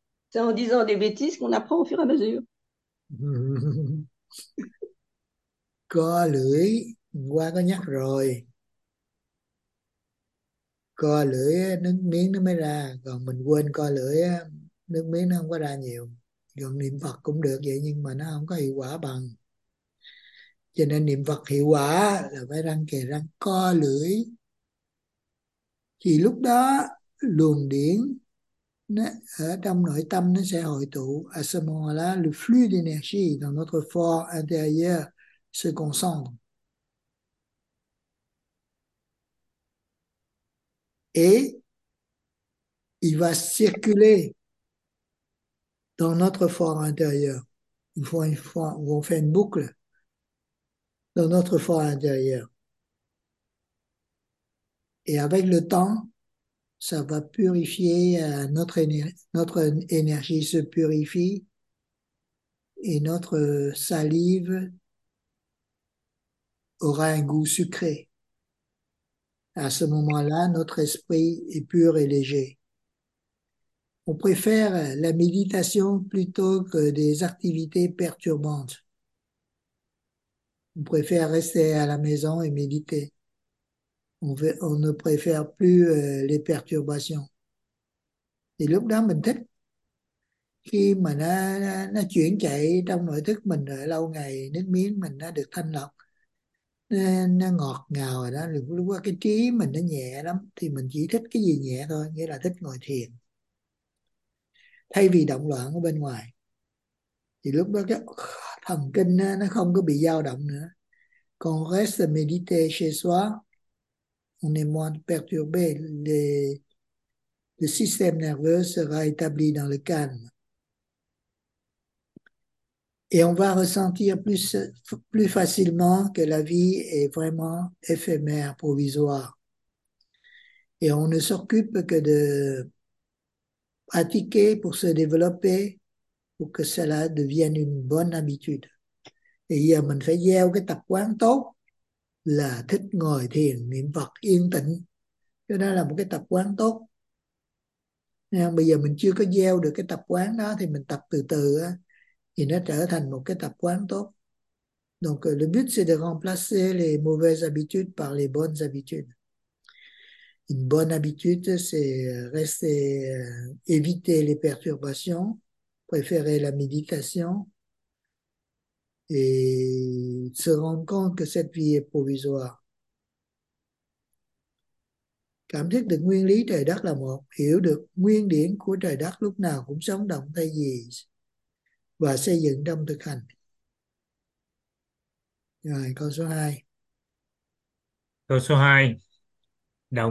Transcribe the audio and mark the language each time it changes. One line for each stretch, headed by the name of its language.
French: c'est en disant des bêtises qu'on apprend au fur et à mesure.
Vietnamese: Co lưỡi qua có nhắc rồi, co lưỡi nước miếng nó mới ra, còn mình quên co lưỡi nước miếng nó không có ra nhiều. Gần niệm Phật cũng được vậy, nhưng mà nó không có hiệu quả bằng. Cho nên niệm Phật hiệu quả là phải răng kề răng, co lưỡi, thì lúc đó luồng điển nó ở trong nội tâm nó sẽ hội tụ.
French: À ce moment-là, le flux d'énergie dans notre for intérieur se concentre. Et il va circuler dans notre for intérieur. Une fois, une fois, on fait une boucle dans notre for intérieur. Et avec le temps, ça va purifier notre énergie se purifie et notre salive aura un goût sucré. À ce moment-là, notre esprit est pur et léger. On préfère la méditation plutôt que des activités perturbantes. On préfère rester à la maison et méditer. On ne préfère plus les perturbations.
Vietnamese: Thì lúc đó mình thích. Khi mà nó chuyển chạy trong nội thức mình rồi, lâu ngày nước miếng mình đã được thanh lọc, nó ngọt ngào rồi đó, lúc đó cái trí mình nó nhẹ lắm, thì mình chỉ thích cái gì nhẹ thôi, nghĩa là thích ngồi thiền thay vì động loạn ở bên ngoài. Thì lúc đó cái thần kinh nó không có bị dao động nữa,
French: qu'on reste méditer chez soi, on est moins perturbé. Le système nerveux sera établi dans le calme. Et on va ressentir plus facilement que la vie est vraiment éphémère, provisoire. Et on ne s'occupe que de pratiquer pour se développer, pour que cela devienne une bonne habitude.
Vietnamese: Thì giờ mình phải gieo cái tập quán tốt là thích ngồi thiền niệm Phật yên tĩnh. Cho nên là một cái tập quán tốt. Nên bây giờ mình chưa có gieo được cái tập quán đó thì mình tập từ từ á, thì nó trở thành một cái tập quán tốt.
French: Donc le but c'est de remplacer les mauvaises habitudes par les bonnes habitudes. Une bonne habitude, c'est rester, éviter les perturbations, préférer la méditation et se rendre compte que cette vie est provisoire.
Vietnamese: Cảm thức được nguyên lý trời đất là một, hiểu được nguyên điển của trời đất lúc nào cũng sống động thay gì và xây dựng trong thực hành. Rồi, câu số 2. Câu số 2, đầu